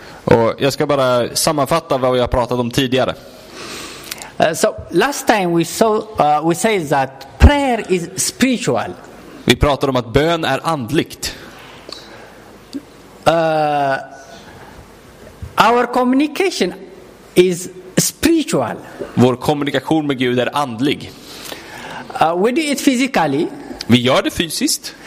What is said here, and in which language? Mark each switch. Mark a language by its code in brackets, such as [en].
[sv] Och jag ska bara sammanfatta vad vi har pratat om tidigare. [en] So last time we said that prayer is spiritual. [sv] Vi pratade om att bön är andligt. [en] Our communication is spiritual. [sv] Vår kommunikation med Gud är andlig. [en] We do it physically. [sv] Vi gör det fysiskt.